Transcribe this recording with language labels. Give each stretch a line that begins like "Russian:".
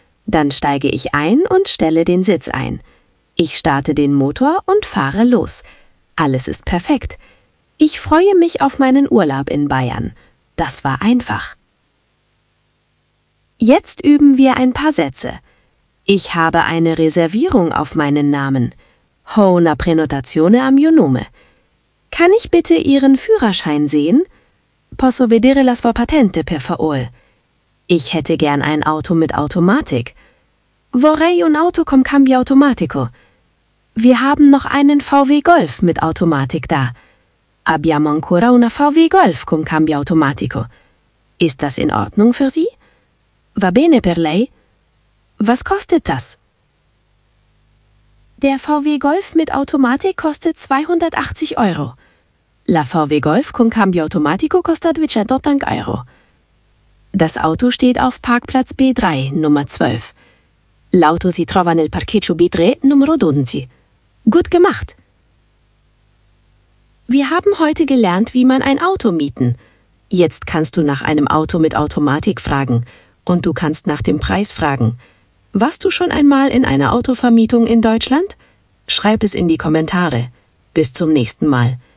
German: Dann steige ich ein und stelle den Sitz ein. Ich starte den Motor und fahre los. Alles ist perfekt. Ich freue mich auf meinen Urlaub in Bayern. Das war einfach. Jetzt üben wir ein paar Sätze. Ich habe eine Reservierung auf meinen Namen.
Italian: Ho una prenotazione a mio nome.
German: Kann ich bitte Ihren Führerschein sehen?
Italian: Posso vedere la sua patente, per favore?
German: Ich hätte gern ein Auto mit Automatik.
Italian: Vorrei un auto con cambio automatico.
German: Wir haben noch einen VW Golf mit Automatik da.
Italian: Abbiamo ancora una VW Golf con cambio automatico.
German: Ist das in Ordnung für Sie?
Italian: Va bene per lei?
German: Was kostet das? Der VW Golf mit Automatik kostet 280 Euro.
Italian: La VW Golf con cambio automatico costa 280 Euro.
German: Das Auto steht auf Parkplatz B3, Nummer 12.
Italian: L'auto si trova nel parcheggio B3, numero 12.
German: Gut gemacht! Wir haben heute gelernt, wie man ein Auto mieten. Jetzt kannst du nach einem Auto mit Automatik fragen und du kannst nach dem Preis fragen. Warst du schon einmal in einer Autovermietung in Deutschland? Schreib es in die Kommentare. Bis zum nächsten Mal.